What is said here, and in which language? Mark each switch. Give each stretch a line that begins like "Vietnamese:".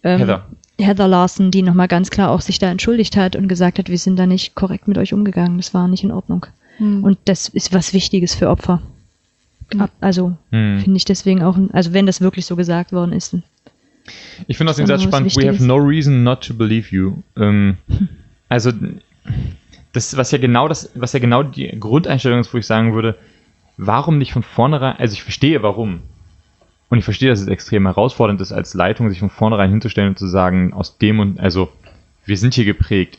German: Heather Larson, die nochmal ganz klar auch sich da entschuldigt hat und gesagt hat, wir sind da nicht korrekt mit euch umgegangen. Das war nicht in Ordnung. Und das ist was Wichtiges für Opfer. Finde ich deswegen auch, also wenn das wirklich so gesagt worden ist. Ich finde das den Satz spannend.
English: We have no reason not to believe you.
German: Also das, was ja genau die Grundeinstellung ist, wo ich sagen würde, warum nicht von vornherein, also ich verstehe warum. Und ich verstehe, dass es extrem herausfordernd ist, als Leitung sich von vornherein hinzustellen und zu sagen, aus dem und, also wir sind hier geprägt.